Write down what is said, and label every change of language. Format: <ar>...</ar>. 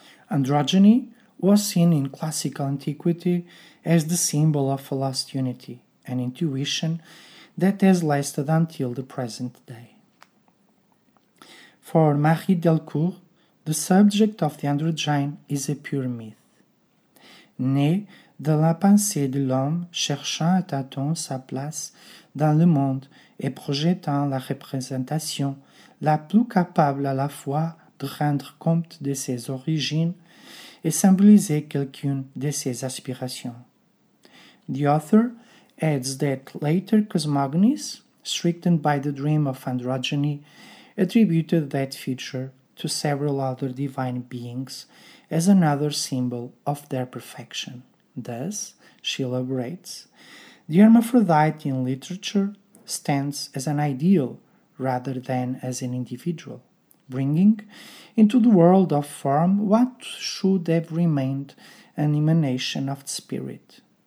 <en>Androgyny was seen in classical antiquity as the symbol of a lost unity, an intuition that has lasted until the present day. For Marie Delcourt, the subject of the androgyne is a pure myth.</en> <fr>Né de la pensée de l'homme cherchant à tâtons sa place dans le monde et projetant la représentation la plus capable à la fois de rendre compte de ses origines et symboliser quelqu'une de ses aspirations.</fr> <en>The author adds that later cosmogonies, strengthened by the dream of androgyny, attributed that feature to several other divine beings as another symbol of their perfection. Thus, she elaborates, the hermaphrodite in literature stands as an ideal rather than as an individual, bringing into the world of form what should have remained an emanation of the spirit.</en>